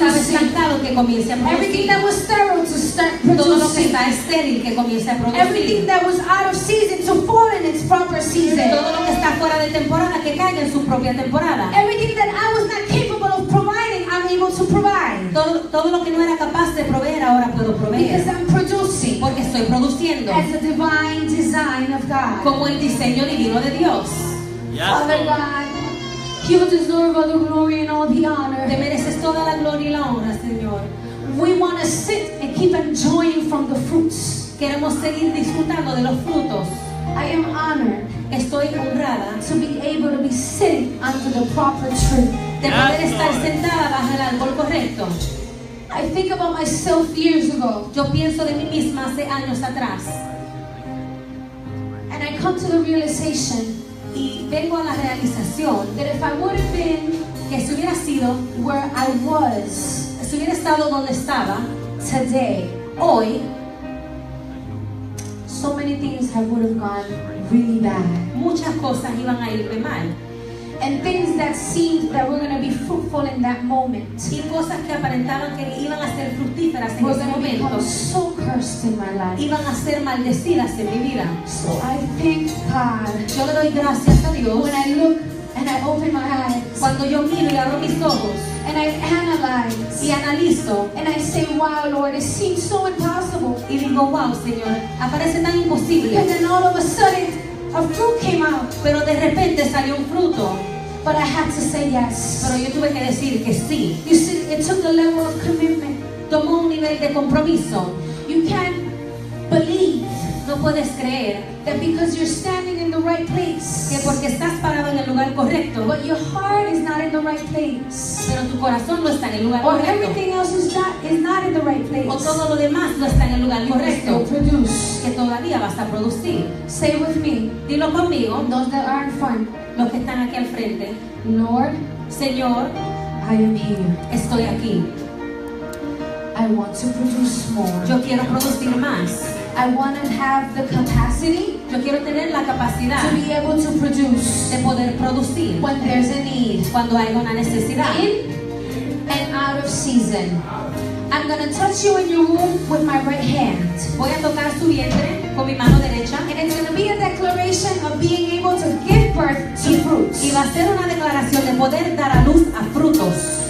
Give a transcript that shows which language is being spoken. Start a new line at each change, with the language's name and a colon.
Spanish: Todo lo que estaba estancado que comience a producir.
English: Everything that was sterile to start producing.
Spanish: Todo lo que está estéril que comience a producir.
English: Everything that was out of season to fall in its proper season.
Spanish: Todo lo que está fuera de temporada que caiga en su propia temporada.
English: Everything that I was not capable of providing, I'm able to provide.
Spanish: Todo lo que no era capaz de proveer ahora puedo proveer.
English: Because I'm producing.
Spanish: Porque estoy produciendo.
English: As a divine design of God.
Spanish: Como el diseño divino de Dios.
English: Yes. Father God, you deserve all the glory and all the honor.
Spanish: Te mereces toda la gloria y la honra, Señor.
English: We want to sit and keep enjoying from the fruits.
Spanish: Queremos seguir disfrutando de los frutos.
English: I am honored.
Spanish: Estoy honrada
English: to be able to be sitting under the proper tree.
Spanish: De poder yes, estar Lord. Sentada bajo el árbol correcto.
English: I think about myself years ago.
Spanish: Yo pienso de mí misma hace años atrás.
English: And I come to the realization.
Spanish: Y vengo a la realización
English: that if I would have been
Spanish: que si hubiera sido
English: where I was
Spanish: si hubiera estado donde estaba
English: today
Spanish: hoy
English: so many many things have would have gone really bad.
Spanish: Muchas cosas iban a ir de mal.
English: And things that seemed that were going to be fruitful in that moment.
Spanish: Y cosas que aparentaban que iban a ser fructíferas en ese momento.
English: Were so cursed in my life.
Spanish: Iban a ser maldecidas en mi vida.
English: So I thank God.
Spanish: Yo le doy gracias a Dios.
English: When I look and I open my eyes.
Spanish: Cuando yo miro y abro mis ojos.
English: And I analyze.
Spanish: Y analizo.
English: And I say, wow, Lord, it seems so impossible.
Spanish: Y digo, wow, Señor, aparece tan imposible.
English: And then all of a sudden, a fruit came out.
Spanish: Pero de repente salió un fruto.
English: But I had to say yes.
Spanish: Pero yo tuve que decir que sí.
English: You see, it took a level of commitment.
Spanish: Tomó un nivel de compromiso.
English: You can't believe.
Spanish: No puedes creer.
English: That because you're standing in the right place.
Spanish: Que porque estás parado en el lugar correcto.
English: But your heart is not in the right place.
Spanish: Pero tu corazón no está en el lugar correcto.
English: Or everything else is not in the right place.
Spanish: O todo lo demás no está en el lugar correcto.
English: You still produce.
Spanish: Que todavía vas a producir.
English: Say with me.
Spanish: Dilo conmigo.
English: Those that are in front.
Spanish: Los que están aquí al frente.
English: Lord.
Spanish: Señor.
English: I am here.
Spanish: Estoy aquí.
English: I want to produce more.
Spanish: Yo quiero producir más.
English: I want to have the capacity.
Spanish: Yo quiero tener la capacidad.
English: To be able to produce.
Spanish: De poder producir.
English: When there's a need.
Spanish: Cuando hay una necesidad.
English: In and out of season. I'm gonna touch you in your womb with my right hand.
Spanish: Voy a tocar su vientre con mi mano derecha.
English: And it's gonna be a declaration of being able to give birth to fruits.
Spanish: Y va a ser una declaración de poder dar a luz a frutos.